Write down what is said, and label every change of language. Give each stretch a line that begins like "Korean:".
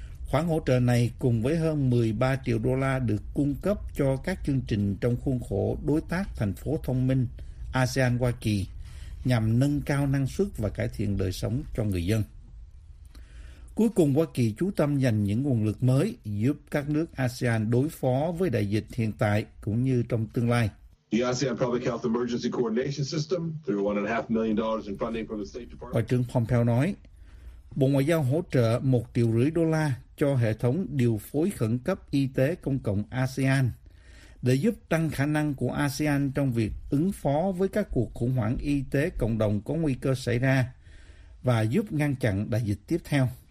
Vietnamese: Khoản hỗ trợ này cùng với hơn 13 triệu đô la được cung cấp cho các chương trình trong khuôn khổ Đối tác Thành phố Thông minh ASEAN-Hoa Kỳ nhằm nâng cao năng suất và cải thiện đời sống cho người dân. Cuối cùng, Hoa Kỳ chú tâm dành những nguồn lực mới giúp các nước ASEAN đối phó với đại dịch hiện tại cũng như trong tương lai.
English: The ASEAN Public Health Emergency Coordination System through $1.5 million in funding from the State Department.
Vietnamese: Ngoại trưởng Pompeo nói, Bộ Ngoại giao hỗ trợ 1.5 triệu đô la cho hệ thống điều phối khẩn cấp y tế công cộng ASEAN để giúp tăng khả năng của ASEAN trong việc ứng phó với các cuộc khủng hoảng y tế cộng đồng có nguy cơ xảy ra và giúp ngăn chặn đại dịch tiếp theo.